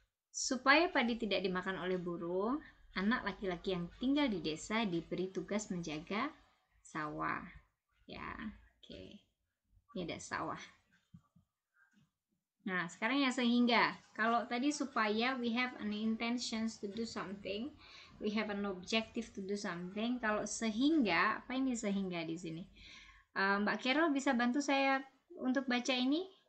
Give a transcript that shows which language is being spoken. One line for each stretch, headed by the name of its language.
Indonesian: Supaya padi tidak dimakan oleh burung, anak laki-laki yang tinggal di desa diberi tugas menjaga sawah. Ya, oke. Okay. Ini ada sawah. Nah, sekarang ya sehingga. Kalau tadi supaya
English: we have an intention to do something, we have an objective to do something.
Indonesian: Kalau sehingga, apa ini sehingga di sini? Mbak Carol bisa bantu saya untuk baca ini?